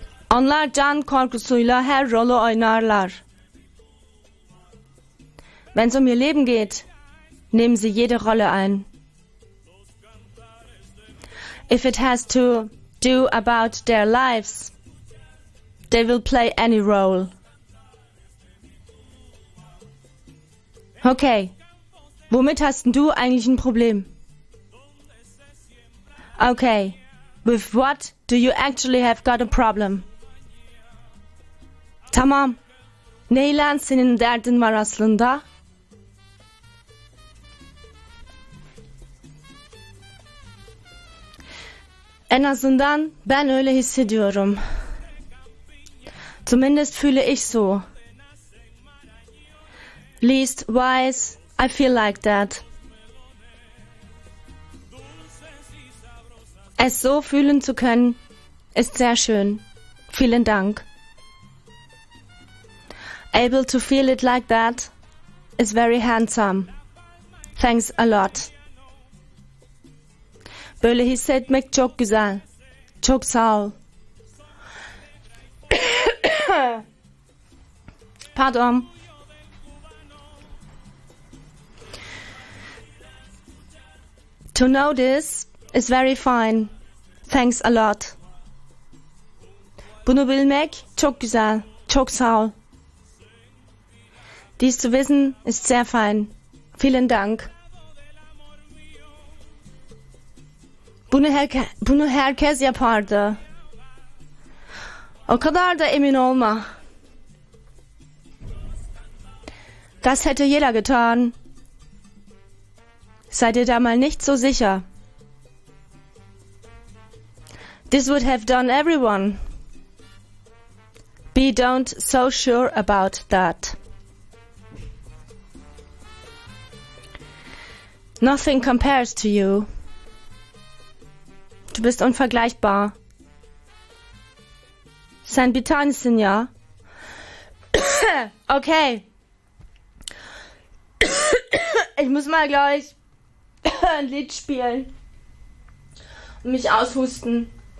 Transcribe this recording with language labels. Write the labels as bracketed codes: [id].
[tr] Onlar can korkusuyla her rolü oynarlar. [de] Wenn es um ihr Leben geht, nehmen sie jede Rolle ein. [en] If it has to do about their lives, they will play any role. [de] Okay, womit hast du eigentlich ein Problem? [en] Okay, with what do you actually have got a problem? [tr] Tamam, neyle senin derdin var aslında? En azından ben öyle hissediyorum. [de] Zumindest fühle ich so. [en] Leastwise, I feel like that. [de] Es so fühlen zu können, ist sehr schön. Vielen Dank. [en] Able to feel it like that is very handsome. Thanks a lot. [tr] Böyle hissetmek çok güzel. Çok sağ ol. [de] Pardon. [en] To know this is very fine. Thanks a lot. [tr] Bunu bilmek çok güzel. Çok sağ ol. [de] Dies zu wissen ist sehr fein. Vielen Dank. [tr] Bunu herkes yapardı. O kadar da emin olma. [de] Das hätte jeder getan. Seid ihr da mal nicht so sicher? [en] This would have done everyone. Be don't so sure about that. Nothing compares to you. [de] Du bist unvergleichbar. Sein Bitanzen, ja. Okay. Ich muss mal gleich ein Lied spielen und mich aushusten.